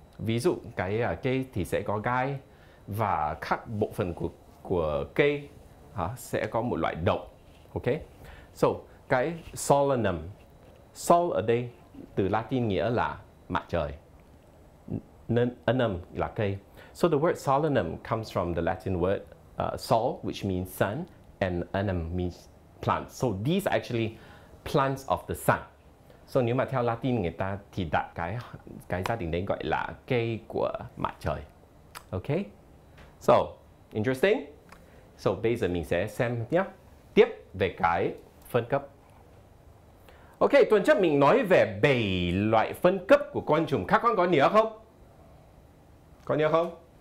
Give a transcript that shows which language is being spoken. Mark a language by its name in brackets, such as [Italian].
[Vietnamese] Ví dụ, cái cây thì sẽ có gai và các bộ phận của cây sẽ có một loại độc. Ok, so cái solanum, sol ở đây từ Latin nghĩa là mặt trời, nên anum là cây. [English] So the word solanum comes from the Latin word sol, which means sun, and anum means plant. So these are actually plants of the sun. [Vietnamese] So nếu mà theo Latin người ta thì đặt cái gia đình đấy gọi là cây của mặt trời. [English] Ok, so interesting. [Vietnamese] So bây giờ mình sẽ xem nhé, tiếp về cái phân cấp. Ok, tuần trước mình nói về 7 loại phân cấp của côn trùng, các con có nhớ không? Có nhớ không?